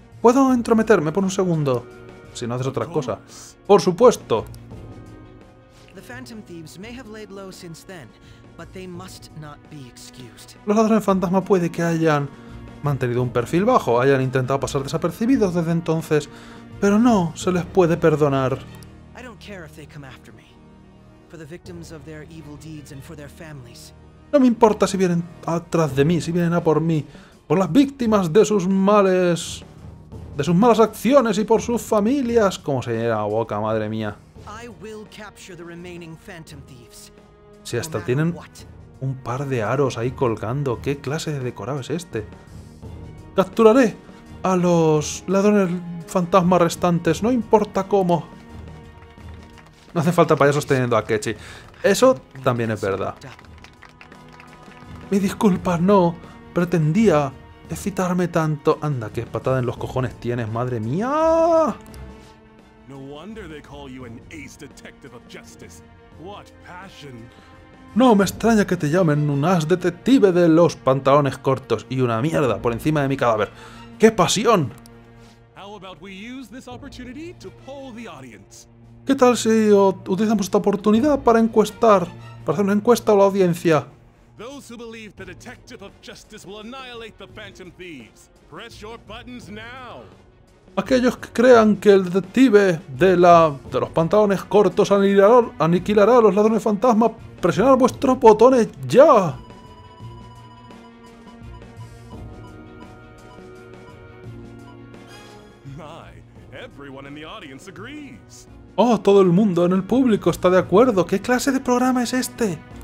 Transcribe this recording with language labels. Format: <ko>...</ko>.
<es>¿Puedo entrometerme por un segundo? Si no haces otra cosa. Por supuesto.</es> <en>The Phantom Thieves may have laid low since then. But they must not be excused.</en> <es>Los ladrones fantasma puede que hayan mantenido un perfil bajo, hayan intentado pasar desapercibidos desde entonces, pero no se les puede perdonar.</es> <en>I don't care if they come after me, for the victims of their evil deeds and for their families.</en> <es>No me importa si vienen atrás de mí, si vienen a por mí, por las víctimas de sus males, de sus malas acciones y por sus familias, como se llena la boca, madre mía.</es> <en>I will capture the remaining phantom thieves.</en> <es>Si hasta tienen un par de aros ahí colgando, ¿qué clase de decorado es este? Capturaré a los ladrones fantasmas restantes, no importa cómo. No hace falta payasos teniendo a Ketchy. Eso también es verdad. Mis disculpas, no pretendía excitarme tanto. Anda, qué patada en los cojones tienes, madre mía.</es> <en>No wonder they call you an ace detective of justice. What passion.</en> <es>No me extraña que te llamen un as detective de los pantalones cortos y una mierda por encima de mi cadáver. ¡Qué pasión!</es> <en>How about we use this opportunity to poll the audience?</en> <es>¿Qué tal si utilizamos esta oportunidad para encuestar, para hacer una encuesta a la audiencia?</es> <en>Those who believe the detective of justice will annihilate the phantom thieves. Press your buttons now.</en> <es>Aquellos que crean que el detective de los pantalones cortos aniquilará a los ladrones fantasma, presionad vuestros botones ya.</es> <en>My, everyone in the audience agrees.</en> <es>Oh, todo el mundo en el público está de acuerdo. ¿Qué clase de programa es este?</es>